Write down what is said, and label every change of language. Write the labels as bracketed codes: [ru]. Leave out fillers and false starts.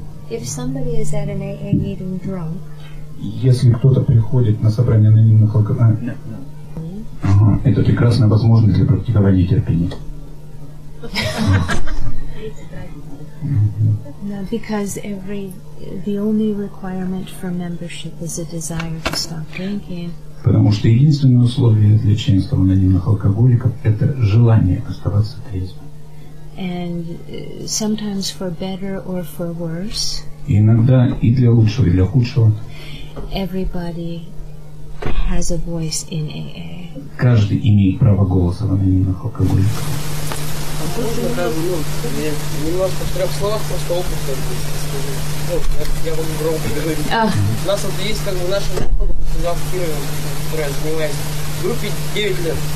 [en] If somebody is at an AA meeting drunk, [ru] если кто-то приходит на собрание анонимных алкоголиков, это прекрасная возможность для практикования терпения. [en] No, because the only requirement for membership is a desire to stop drinking. [ru] Потому что единственное условие для членства в анонимных алкоголиков – это желание оставаться трезвым. [en] And sometimes for better or for worse. [ru] Иногда и для лучшего, и для худшего. [en] Everybody has a voice in AA. [ru] Каждый имеет право голоса в анонимных алкоголиках. А можно сразу, немножко в трех словах просто опыт скажу. Я вам громко говорю. У нас вот есть как бы в нашем группе, занимаясь в группе 9 лет.